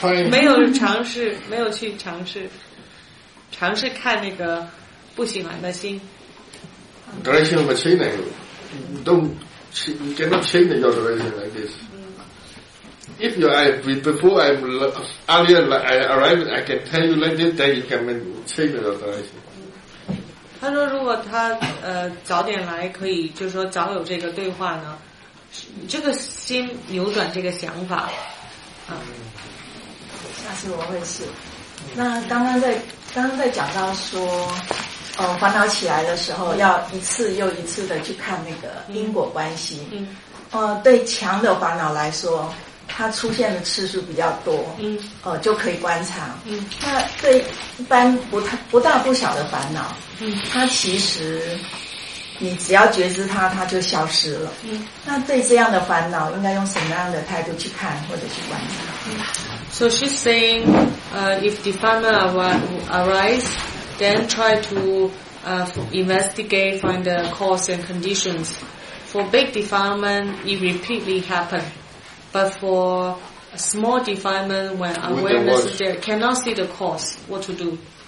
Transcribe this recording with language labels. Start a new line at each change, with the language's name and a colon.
Chinese: 没有尝试，没有去尝试看那个不喜欢的心。
English: Direction of a chain, you don't, you cannot change your direction like this. If you, I, before I'm, earlier, like, I arrived, I can tell you like this, then you can change your direction.
Chinese: 他说如果他早点来可以就是说早有这个对话呢，这个心扭转这个想法。下次我会试。那刚刚在讲到说，烦恼起来的时候，要一次又一次的去看那个因果关系。对强的烦恼来说，它出现的次数比较多。就可以观察。那对一般不大不小的烦恼，它其实你只要觉知它，它就消失了。那对这样的烦恼，应该用什么样的态度去看或者去观察？
English: So she's saying, if defilement arise, then try to investigate, find the cause and conditions. For big defilement, it repeatedly happen. But for small defilement, when awareness is there, cannot see the cause, what to do?